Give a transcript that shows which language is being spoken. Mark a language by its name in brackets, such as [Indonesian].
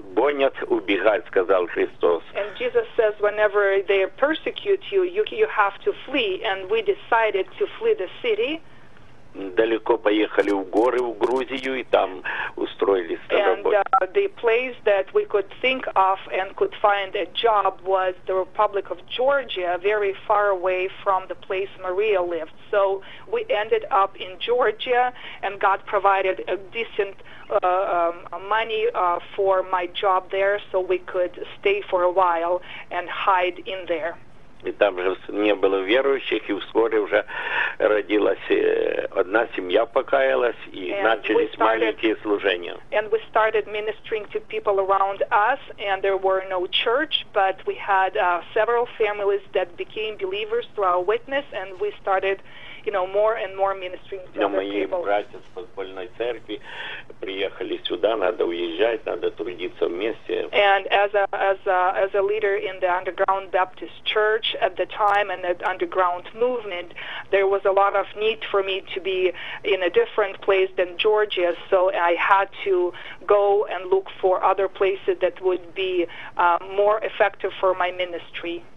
[English] And Jesus says, whenever they persecute you, you have to flee. And we decided to flee the city. [Ukrainian] Далеко поїхали в гори в Грузію і там устроились на роботу. [English] And the place that we could think of and could find a job was the Republic of Georgia, very far away from the place Maria lived. So we ended up in Georgia, and God provided a decent money for my job there, so we could stay for a while and hide in there. [Ukrainian] І там вже не було віруючих, і вскоре вже родилась одна сім'я, покаялась, і почались маленькі служення. [English] And we started ministering to people around us, and there were no church, but we had several families that became believers through our witness, and we started, you know, more and more ministering to other people. [Ukrainian] Мої браття з подвольної церкви приїхали сюди, надо уїжджати, надо трудитися в місті. [English] And as a leader in the Underground Baptist Church at the time and the underground movement, there was a lot of need for me to be in a different place than Georgia, so I had to go and look for other places that would be more effective for my ministry.